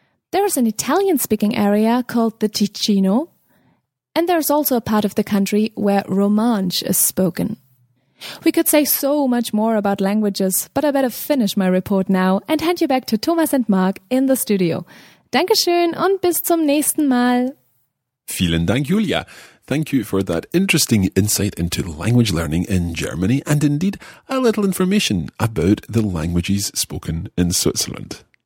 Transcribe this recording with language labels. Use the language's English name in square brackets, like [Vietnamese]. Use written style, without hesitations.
[English] There is an Italian-speaking area called the Ticino, and there is also a part of the country where Romance is spoken. We could say so much more about languages, but I better finish my report now and hand you back to Thomas and Mark in the studio. [German] Dankeschön und bis zum nächsten Mal. Vielen Dank, Julia. [English] Thank you for that interesting insight into language learning in Germany and indeed a little information about the languages spoken in Switzerland.